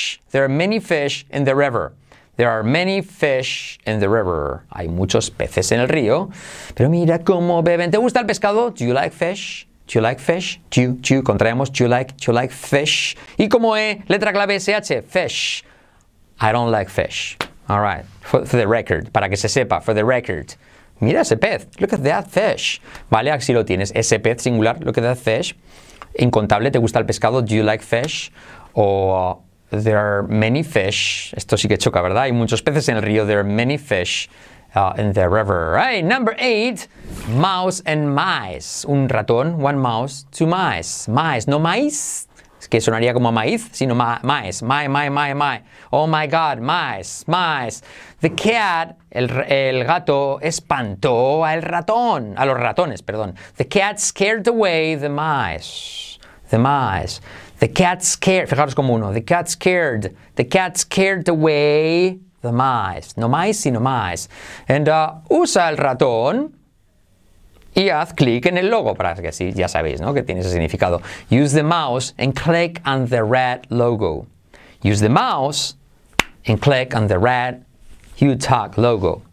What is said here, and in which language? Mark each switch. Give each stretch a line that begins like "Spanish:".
English: There are many fish in the river. There are many fish in the river.
Spanish: Hay muchos peces en el río. Pero mira cómo beben. ¿Te gusta el pescado?
English: Do you like fish? Do you like fish? Do you, contraemos. Do you like fish?
Spanish: Y como E, letra clave SH,
English: fish. I don't like fish. All right. For the record,
Spanish: para que se sepa,
English: for the record.
Spanish: Mira ese pez.
English: Look at that fish.
Spanish: Vale, así lo tienes. Ese pez singular.
English: Look at that fish.
Spanish: incontable, ¿te gusta el pescado?
English: Do you like fish?
Spanish: O
English: there are many fish.
Spanish: Esto sí que choca, ¿verdad? Hay muchos peces en el río.
English: There are many fish in the river. Right, number 8. Mouse and mice.
Spanish: Un ratón.
English: One mouse, two mice. Mice, no mice.
Spanish: Es que sonaría como maíz, sino mice. My.
English: Oh my God, mice. The cat,
Spanish: el gato, espantó al ratón. A los ratones, perdón.
English: The cat scared away the mice. The cat scared,
Spanish: fijaros como uno,
English: the cat scared away the mice. No mice, sino mice.
Spanish: And usa el ratón y haz clic en el logo, para que así ya sabéis, ¿no?, que tiene ese significado.
English: Use the mouse and click on the red logo. Use the mouse and click on the red UTalk logo.